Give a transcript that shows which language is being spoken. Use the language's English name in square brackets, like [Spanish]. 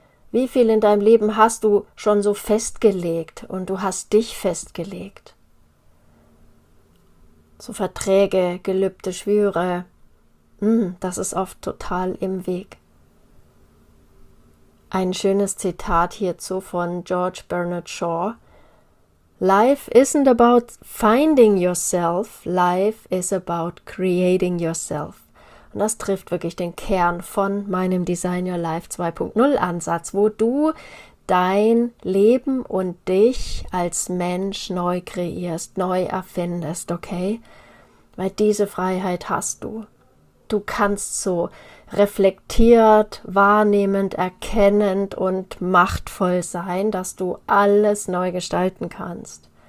[German] Wie viel in deinem Leben hast du schon so festgelegt und du hast dich festgelegt? So Verträge, Gelübde, Schwüre, das ist oft total im Weg. Ein schönes Zitat hierzu von George Bernard Shaw. [English] Life isn't about finding yourself, life is about creating yourself. [German] Und das trifft wirklich den Kern von meinem Design Your Life 2.0 Ansatz, wo du dein Leben und dich als Mensch neu kreierst, neu erfindest, okay? Weil diese Freiheit hast du. Du kannst so reflektiert, wahrnehmend, erkennend und machtvoll sein, dass du alles neu gestalten kannst.